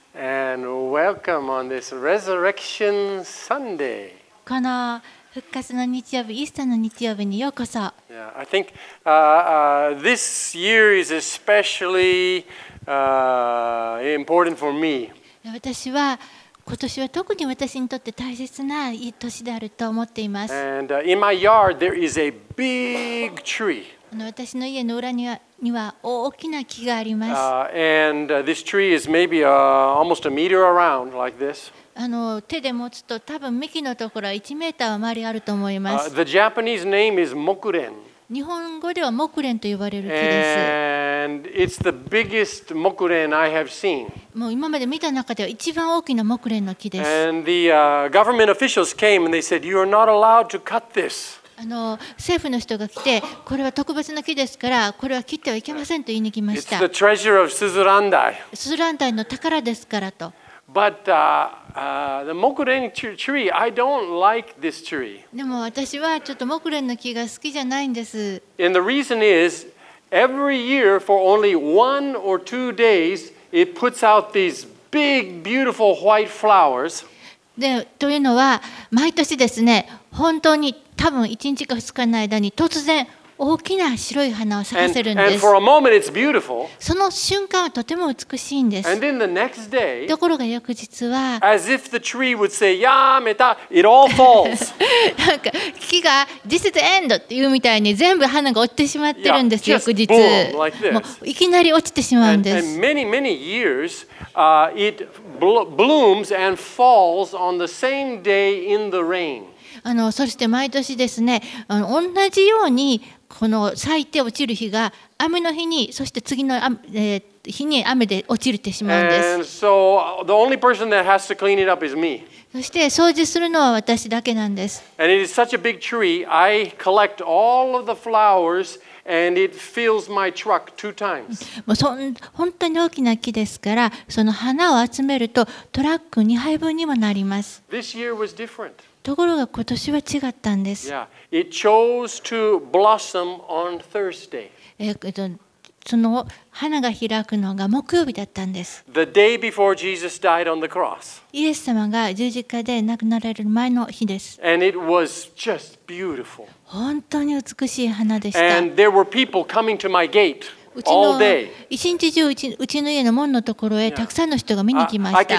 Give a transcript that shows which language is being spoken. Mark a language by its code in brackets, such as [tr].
[en] And welcome on this Resurrection Sunday. [ja] この復活の日曜日、イースターの日曜日にようこそ。 [en] Yeah, I think this year is especially important for me. [ja] 私は今年は特に私にとって大切な年であると思っています。 [en] And in my yard there is a big tree. [ja] 私の家の裏には。には大きな木があります。 [en] And this tree is maybe almost a meter around like this. [ja] 手で持つと多分幹のところは1メーター周りあると思います。 [en] The Japanese name is Mokuren. [ja] 日本語では Mokuren と呼ばれる木です。 [en] And it's the biggest Mokuren I have seen. [ja] もう今まで見た中では一番大きな Mokuren の木です。 [en] And the government officials came and they said, "You are not allowed to cut this." [ja] 政府の人が来て、これは特別な木ですから、これは切ってはいけませんと言いに来ました。 [en] It's the treasure of Suzurandai. [ja] Suzurandai の宝ですからと。 [en] But the Mokuren tree, I don't like this tree. [ja] でも私はちょっと Mokuren の木が好きじゃないんです。 [en] And the reason is, every year for only one or two days, it puts out these big, beautiful white flowers. [ja] でというのは毎年ですね、本当に多分1日か2日の間に突然大きな白い花を咲かせるんです。 [en] and for a moment it's beautiful. [ja] その瞬間はとても美しいんです。 [en] and then the next day, [ja] ところが翌日は [en] as if the tree would say, [ja] やーめた [en] it all falls. [ja] なんか木が [en] This is the end [ja] っていうみたいに全部花が落ちてしまってるんです。 [en] yeah, [ja] 翌日 [en] just boom, like this. [ja] もういきなり落ちてしまうんです。 [en] and many many years, it blooms and falls on the same day in the rain. [ja] そして毎年ですね、同じようにこの咲いて落ちる日が雨の日に、そして次の日に雨で落ちるってしまうんです。 [en] And so, the only person that has to clean it up is me. [ja] そして掃除するのは私だけなんです。 [en] And it is such a big tree, I collect all of the flowers and it fills my truck two times. [ja] もう本当に大きな木ですから、その花を集めるとトラック2杯分にもなります。 [en] This year was different. [ja] ところが今年は違ったんです。 [en] Yeah. It chose to blossom on Thursday. [ja] その花が開くのが木曜日だったんです。 [en] The day before Jesus died on the cross. [ja] イエス様が十字架で亡くなられる前の日です。 [en] And it was just beautiful. [ja] 本当に美しい花でした。 [en] And there were people coming to my gate all day. [ja] 一日中うちの家の門のところへたくさんの人が見に来ました。